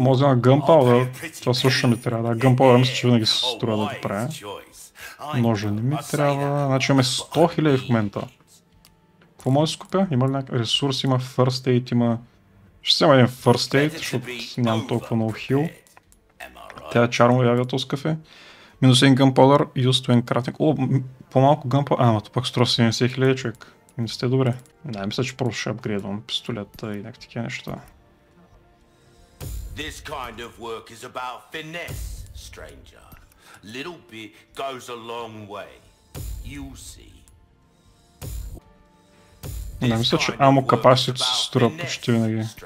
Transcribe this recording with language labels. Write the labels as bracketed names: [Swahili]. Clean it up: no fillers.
[Bulgarian] Може на Gunpowder? Това също ми трябва. Да, Gunpowder мисля, че винаги се струва да го правя. Ножа не ми трябва. Значи имаме 100 000 в момента. Какво може да скупя? Има ли някакъв ресурс? Има First Aid, има... Ще взема един First Aid, защото нямам толкова много хил. Тя е чармо явя този кафе. Минус 1 Gunpowder, Used to Encrafting. О, по-малко Gunpowder. Ама то пък струва 70 000 човек. Не сте добре. Не, мисля, че просто ще апгрейдвам пистолета и някакви такива неща. [English] This kind of work is about finesse, stranger. Little bit goes a long way. You'll see. [Bulgarian] Не, мисля, че амо капасито се струва почти винаги.